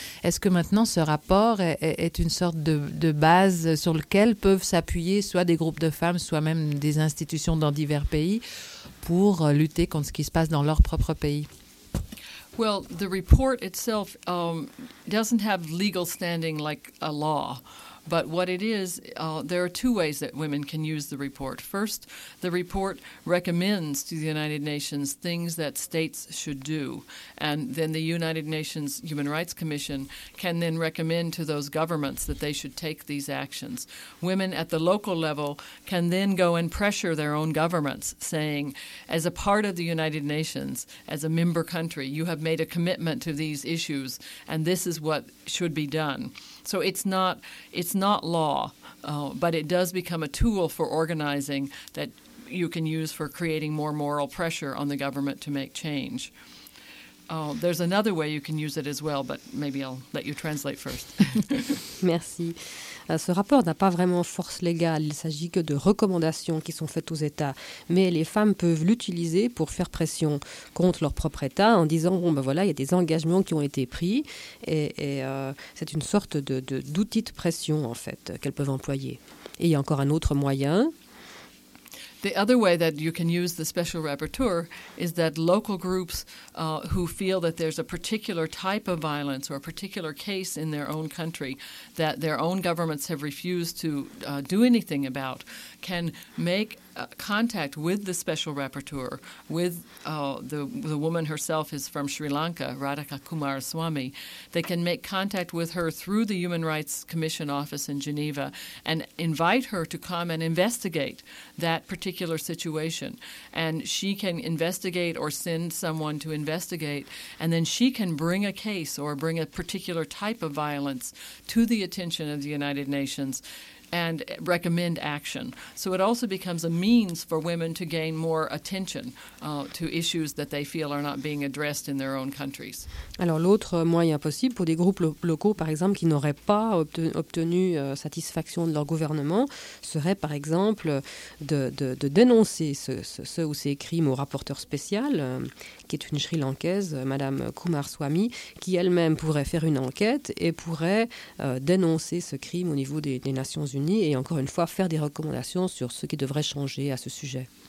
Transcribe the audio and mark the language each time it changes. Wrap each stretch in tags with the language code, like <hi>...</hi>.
<fr>Est-ce que maintenant ce rapport est une sorte de base sur lequel peuvent s'appuyer soit des groupes de femmes, soit même des institutions dans divers pays pour lutter contre ce qui se passe dans leur propre pays?</fr> <en>Well, the report itself doesn't have legal standing like a law, but what it is, there are two ways that women can use the report. First, the report recommends to the United Nations things that states should do, and then the United Nations Human Rights Commission can then recommend to those governments that they should take these actions. Women at the local level can then go and pressure their own governments, saying, as a part of the United Nations, as a member country, you have made a commitment to these issues, and this is what should be done. So it's not law, but it does become a tool for organizing that you can use for creating more moral pressure on the government to make change. There's another way you can use it as well, but maybe I'll let you translate first.</en> <fr>Merci. Ce rapport n'a pas vraiment force légale, il s'agit que de recommandations qui sont faites aux États. Mais les femmes peuvent l'utiliser pour faire pression contre leur propre État en disant, bon ben voilà, il y a des engagements qui ont été pris et c'est une sorte de d'outil de pression en fait qu'elles peuvent employer. Et il y a encore un autre moyen.</fr> <en>The other way that you can use the special rapporteur is that local groups who feel that there's a particular type of violence or a particular case in their own country that their own governments have refused to do anything about can make contact with the special rapporteur, with the woman herself is from Sri Lanka, Radhika Kumaraswamy. They can make contact with her through the Human Rights Commission office in Geneva and invite her to come and investigate that particular situation. And she can investigate or send someone to investigate, and then she can bring a case or bring a particular type of violence to the attention of the United Nations and recommend action. So it also becomes a means for women to gain more attention to issues that they feel are not being addressed in their own countries.</en> <fr>Alors l'autre moyen possible pour des groupes locaux, par exemple, qui n'auraient pas obtenu satisfaction de leur gouvernement, serait par exemple de dénoncer ce ou ces crimes au rapporteur spécial, qui est une Sri Lankaise, Madame Kumaraswamy, qui elle-même pourrait faire une enquête et pourrait dénoncer ce crime au niveau des Nations Unies et encore une fois faire des recommandations sur ce qui devrait changer à ce sujet.</fr>